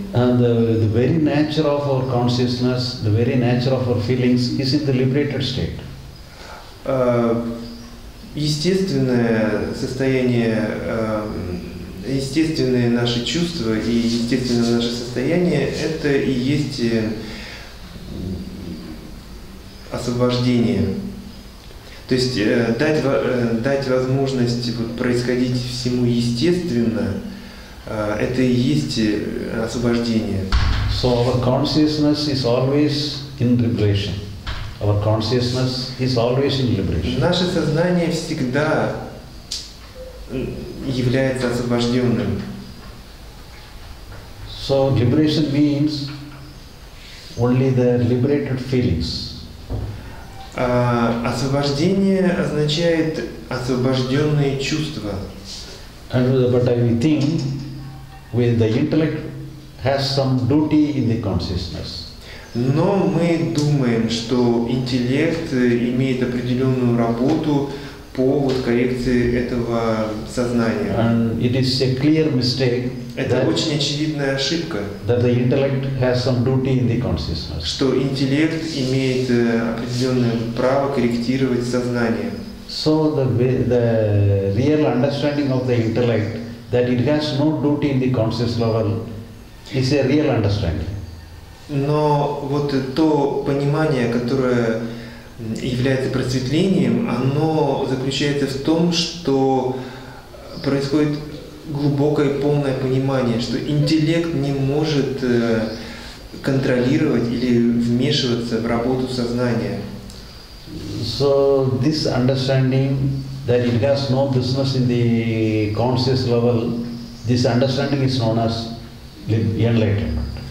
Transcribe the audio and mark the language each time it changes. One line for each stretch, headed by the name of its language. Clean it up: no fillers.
English: And the very nature of our consciousness, the very nature of our feelings is in the liberated state.
Russian: Естественное наше чувство и естественное наше состояние – это и есть освобождение. То есть дать возможность вот, происходить всему естественно – это и есть освобождение.
English: So our consciousness is always in liberation. Our consciousness is always in liberation.
Russian: Наше сознание всегда является освобожденным.
English: So liberation means only the liberated feelings.
Russian: Освобождение означает освобожденные чувства.
English: But I think with the intellect has some duty in the consciousness.
Russian: Но мы думаем, что интеллект имеет определенную работу по вот коррекции этого сознания.
English: And it is a clear mistake.
Russian: Это очень очевидная ошибка.
English: That the intellect has some duty in the consciousness.
Russian: Что интеллект имеет определенное право корректировать сознание.
English: So the real understanding of the intellect that it has no duty in the conscious level is a real understanding.
Russian: Но вот то понимание, которое является просветлением, оно заключается в том, что происходит глубокое полное понимание, что интеллект не может контролировать или вмешиваться в работу сознания.
English: So this understanding that it has no business in the conscious level, this understanding is known as enlightenment.